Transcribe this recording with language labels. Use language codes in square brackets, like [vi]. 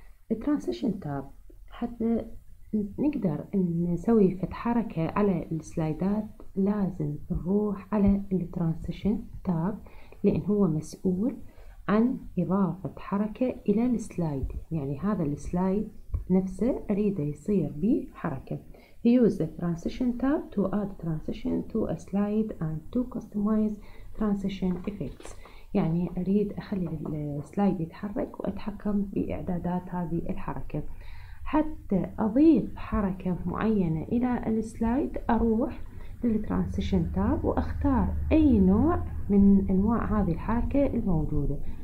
[ar] الترانزيشن تاب حتى نقدر نسوي فت حركة على السلايدات لازم نروح على الترانزيشن تاب، لأن هو مسؤول عن إضافة حركة إلى السلايد. يعني هذا السلايد نفسه أريده يصير به حركة. [en] He used the transition tab to add transition to a slide and to customize transition effects. [ar] يعني أريد أخلي السلايد يتحرك وأتحكم بإعدادات هذه الحركة. حتى أضيف حركة معينة إلى السلايد أروح للترانزيشن تاب وأختار أي نوع من أنواع هذه الحركة الموجودة.